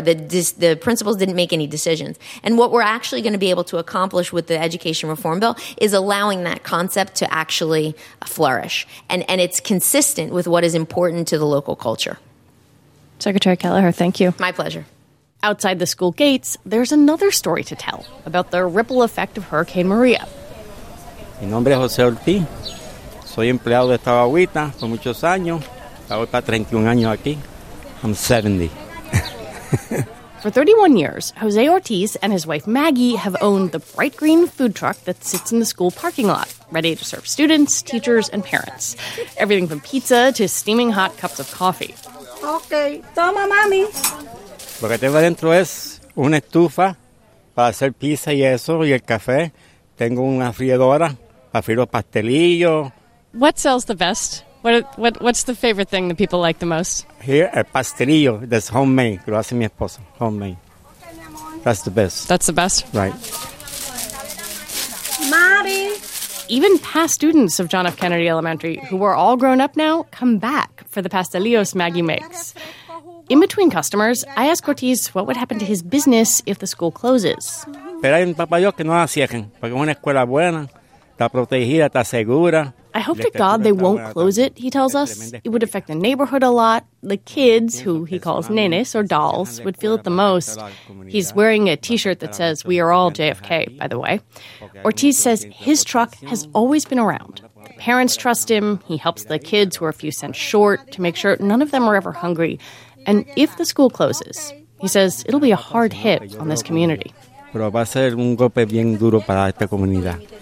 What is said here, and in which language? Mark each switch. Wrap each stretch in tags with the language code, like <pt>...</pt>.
<en>The principals didn't make any decisions. And what we're actually going to be able to accomplish with the education reform bill is allowing that concept to actually flourish. And it's consistent with what is important to the local culture. Secretary Kelleher, thank you. My pleasure. Outside the school gates, there's another story to tell about the ripple effect of Hurricane Maria.</en> <es>Mi nombre es José Ortiz. Soy empleado de esta agüita por muchos años. Estaba para 31 años aquí.</es> <en>I'm 70. For 31 years, José Ortiz and his wife Maggie have owned the bright green food truck that sits in the school parking lot, ready to serve students, teachers, and parents. Everything from pizza to steaming hot cups of coffee.</en> <es>Okay, toma, mami. Lo que tengo adentro es una estufa para hacer pizza y eso, y el café. Tengo una freidora para freír los pastelillos.</es> <en>What sells the best? What's the favorite thing that people like the most? Here, el pastelillo that's homemade.</en> <es>Lo hace mi esposo,</es> <en>homemade. That's the best. That's the best? Right.</en> <es>Mami!</es> <en>Even past students of John F. Kennedy Elementary, who are all grown up now, come back for the pastelillos Maggie makes. In between customers, I ask Ortiz what would happen to his business if the school closes.</en> <es>Pero hay un papá Dios que no la cierren, porque es una escuela buena, está protegida, está segura.</es> <en>I hope to God they won't close it, he tells us. It would affect the neighborhood a lot. The kids, who he calls nenes or dolls, would feel it the most. He's wearing a T-shirt that says, "We are all JFK," by the way. Ortiz says his truck has always been around. The parents trust him. He helps the kids who are a few cents short to make sure none of them are ever hungry. And if the school closes, he says it'll be a hard hit on this community.</en> <es>Pero va a ser un golpe bien duro para esta comunidad.</es>